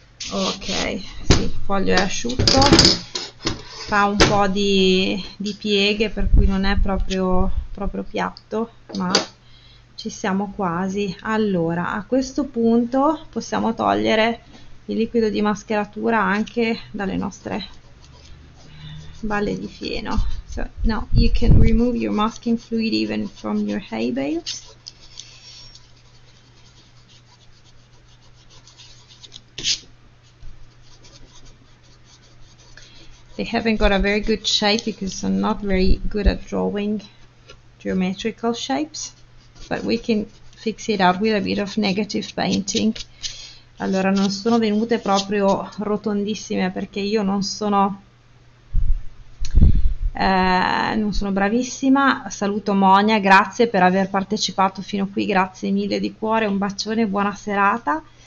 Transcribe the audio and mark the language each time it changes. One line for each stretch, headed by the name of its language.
Italian: Ok, sì, il foglio è asciutto, fa un po' di pieghe, per cui non è proprio piatto, ma ci siamo quasi. Allora, a questo punto possiamo togliere il liquido di mascheratura anche dalle nostre balle di fieno.
English: So, now you can remove your masking fluid even from your hay bales. They haven't got a very good shape because I'm not very good at drawing geometrical shapes. But we can fix it up with a bit of negative painting.
Italian: Allora, non sono venute proprio rotondissime perché io non sono bravissima. Saluto Monia, grazie per aver partecipato fino qui, grazie mille di cuore, un bacione, buona serata.